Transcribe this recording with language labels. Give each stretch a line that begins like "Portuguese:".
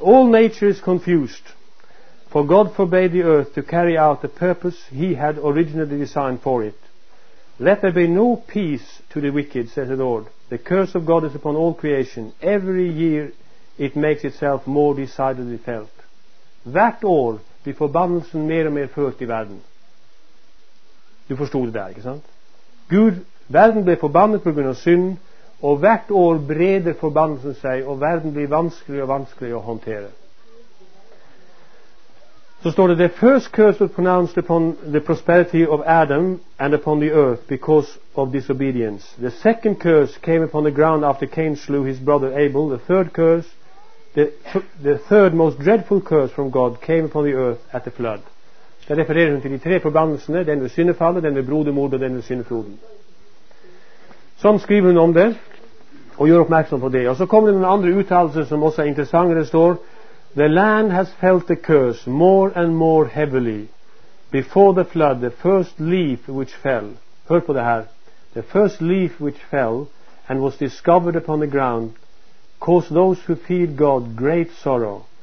English: All nature is confused, for God forbade the earth to carry out the purpose he had originally designed for it. Let there be no peace to the wicked, says the Lord. The curse of God is upon all creation. Every year it makes itself more decidedly felt.
Norwegian: Hvert år blir forbannelsen mer og mer følt i verden. Du forstod det der, ikke sant? Gud, verden ble forbannet på grunn av synd, og hvert år breder forbannelsen seg, og verden blir vanskelig og vanskelig å håndtere. Så står det,
English: the first curse was pronounced upon the prosperity of Adam and upon the earth because of disobedience. The second curse came upon the ground after Cain slew his brother Abel. The third curse, the third most dreadful curse from God came upon the earth at the flood.
Norwegian: Det refererer hun til de tre forbannelsene, den ved syndefallet, den ved brodermord og den ved syndfloden. Sånn skriver hun om det, og gjør oppmerksom på det. Og så kommer det noen andre uttalelser som også er interessante. Det står,
English: the land has felt the curse more and more heavily. Before the flood, the first leaf which fell,
Norwegian: hør på det her,
English: the first leaf which fell and was discovered upon the ground caused those who feared God great sorrow.